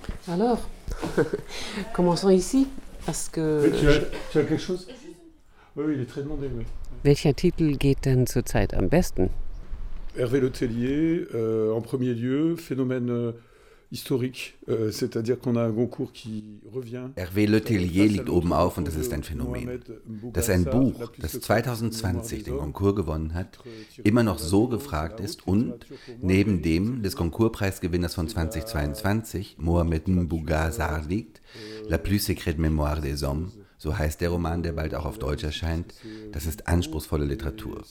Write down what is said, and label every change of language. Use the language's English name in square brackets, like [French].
[French] Alors, commençons ici, parce que... Tu as quelque chose ? Oui, il est très demandé, oui. [German] Welcher Titel geht denn zurzeit am besten ? [French] Hervé Le Tellier, en premier lieu, phénomène... historique, c'est-à-dire qu'on a un Goncourt qui revient. [German] Hervé Le Tellier liegt oben auf und das ist ein Phänomen. Dass ein Buch, das 2020 den Goncourt gewonnen hat, immer noch so gefragt ist und neben dem des Goncourt-Preisgewinners von 2022, Mohamed Mbougazar, liegt, La plus secrète mémoire des hommes, so heißt der Roman, der bald auch auf Deutsch erscheint, das ist anspruchsvolle Literatur.